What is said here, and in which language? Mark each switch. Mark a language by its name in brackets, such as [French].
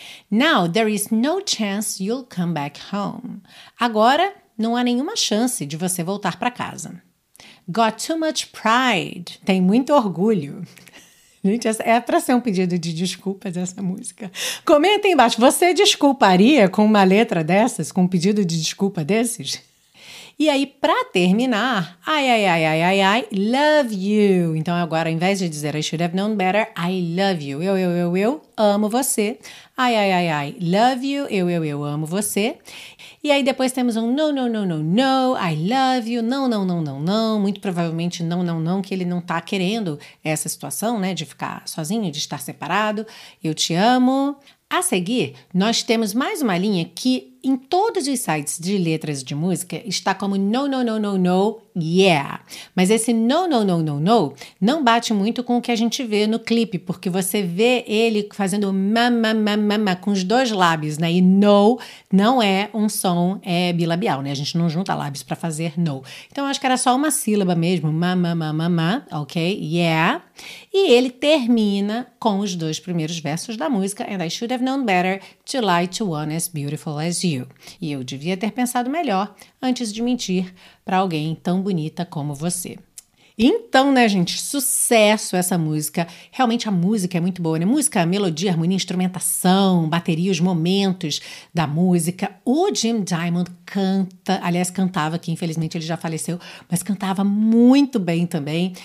[English] Now, there is no chance you'll come back home. [Portuguese] Agora, não há nenhuma chance de você voltar para casa. [English] Got too much pride. [Portuguese] Tem muito orgulho. Gente, essa é para ser um pedido de desculpas essa música. Comenta aí embaixo, você desculparia com uma letra dessas, com um pedido de desculpa desses? E aí, para terminar, ai, ai, ai, ai, ai, ai, [English] love you. [Portuguese] Então agora, ao invés de dizer [English] I should have known better, I love you. [Portuguese] Eu amo você. Ai, ai, ai, ai, [English] love you. [Portuguese] Eu amo você. E aí depois temos um [English] no, no, no, no, no, I love you. [Portuguese] Não, não, não, não, não. Muito provavelmente não, não, não, que ele não tá querendo essa situação, né? De ficar sozinho, de estar separado. Eu te amo. A seguir, nós temos mais uma linha que em todos os sites de letras de música está como [English] no, no, no, no, no, yeah. [Portuguese] Mas esse no, no, no, no, no não bate muito com o que a gente vê no clipe, porque você vê ele fazendo mama, mama, mama com os dois lábios, né? E no não é um som bilabial, né? A gente não junta lábios para fazer no. Então, acho que era só uma sílaba mesmo, mama, mama, mama, ok? [English] Yeah. [Portuguese] E ele termina com os dois primeiros versos da música, [English] and I should have known better to lie to one as beautiful as you. [Portuguese] E eu devia ter pensado melhor antes de mentir para alguém tão bonita como você. Então, né, gente, sucesso essa música. Realmente a música é muito boa, né? Música, melodia, harmonia, instrumentação, bateria, os momentos da música. O Jim Diamond canta, aliás, cantava, que infelizmente ele já faleceu, mas cantava muito bem também.